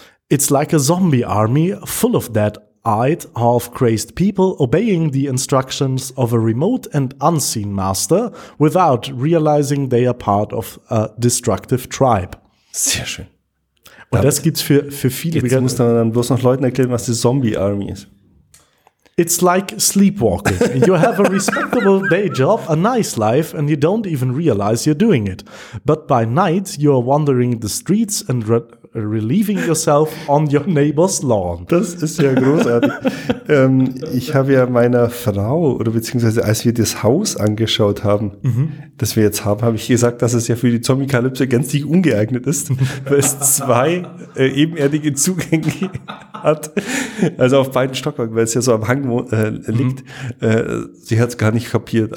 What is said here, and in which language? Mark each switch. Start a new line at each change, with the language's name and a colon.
English: It's like a zombie army full of dead-eyed, half-crazed people obeying the instructions of a remote and unseen master without realizing they are part of a destructive tribe.
German: Sehr schön. Und das gibt's für viele. Jetzt muss man dann bloß noch Leuten erklären, was die Zombie Army ist.
English: It's like sleepwalking. You have a respectable day job, a nice life, and you don't even realize you're doing it. But by night, you're wandering the streets and relieving yourself on your neighbor's lawn.
German: Das ist ja großartig. ich habe ja meiner Frau, oder beziehungsweise als wir das Haus angeschaut haben, das wir jetzt haben, habe ich gesagt, dass es ja für die Zombie-Kalypse gänzlich ungeeignet ist, weil es zwei ebenerdige Zugänge hat. Also auf beiden Stockwerken, weil es ja so am Hang liegt. Sie hat es gar nicht kapiert.